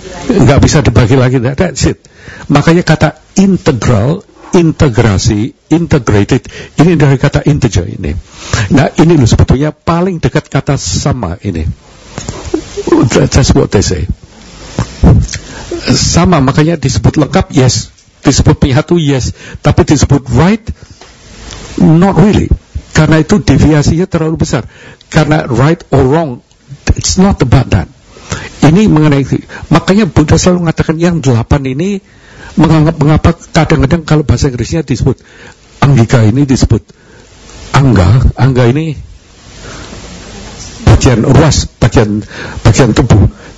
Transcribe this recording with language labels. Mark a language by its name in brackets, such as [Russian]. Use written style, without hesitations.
[Indonesian] Enggak bisa dibagi lagi, [English] that's it. [Indonesian] Makanya kata integral, integrasi, integrated, ini dari kata integer ini. Nah, ini loh sebetulnya paling dekat kata sama ini. [English] That's what they say. [Indonesian] Sama, makanya disebut lengkap, [English] yes. [Indonesian] Disebut penyatu, yes. Tapi disebut [English] right, not really. [Indonesian] Karena itu deviasinya terlalu besar. Karena [English] right or wrong, it's not about that. [Indonesian] Ini mengenai, makanya Buddha selalu mengatakan yang delapan ini menganggap mengapa kadang-kadang kalau bahasa Inggrisnya disebut anggika, ini disebut angga. Angga ini bagian ruas, bagian tubuh.